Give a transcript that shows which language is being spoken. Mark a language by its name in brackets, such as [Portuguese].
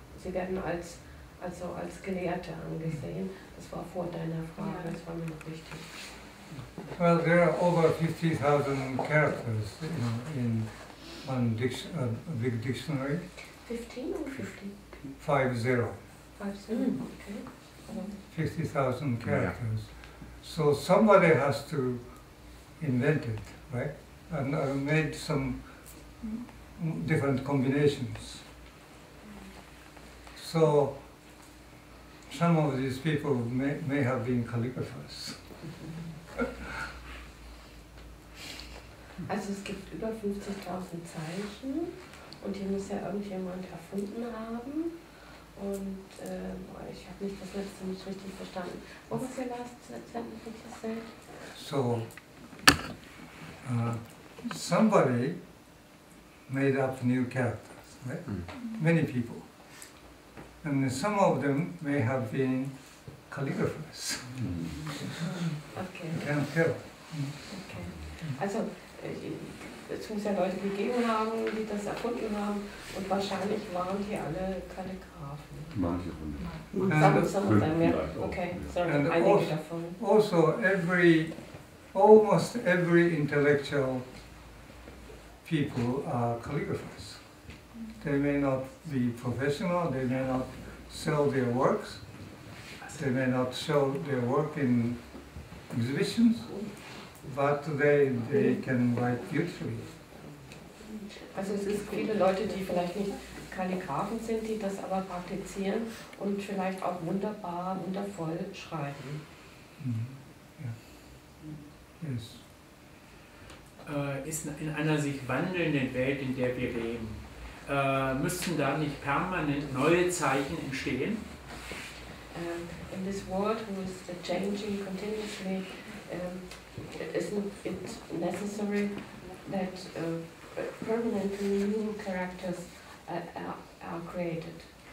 [German] Sie werden als Gelehrte angesehen. Das war vor deiner Frage, das war mir noch wichtig. [English] Well, there are over 50,000 characters in one big dictionary. 15 or 50? 50. 50, okay. 50,000 characters. Yeah. So somebody has to invent it, right? And made some different combinations. So some of these people may have been calligraphers. [German] Also es gibt über 50,000 Zeichen und die muss ja irgendjemand erfunden haben. Und ich habe nicht das letzte nicht richtig verstanden. Wo ist der letzte Sentence? [English] So, somebody made up new characters, right? Mm. Many people. And some of them may have been calligraphers. Okay. You can't tell. Okay. [German] Also, es muss ja Leute gegeben haben, die das erfunden haben, und wahrscheinlich waren die alle Kalligraphen. Manche von denen. [English] Also, almost every intellectual people are calligraphers. They may not be professional, they may not sell their works, they may not show their work in exhibitions, but they can write beautifully. [German] Also es ist viele Leute, die vielleicht nicht Kalligraphen sind, die das aber praktizieren und vielleicht auch wunderbar, wundervoll schreiben. [English] Mm-hmm. Yeah. Yes. [German] Ist in einer sich wandelnden Welt, in der wir leben, müssten da nicht permanent neue Zeichen entstehen? [English] In this world, who is changing continuously, isn't it necessary that permanently new characters are created?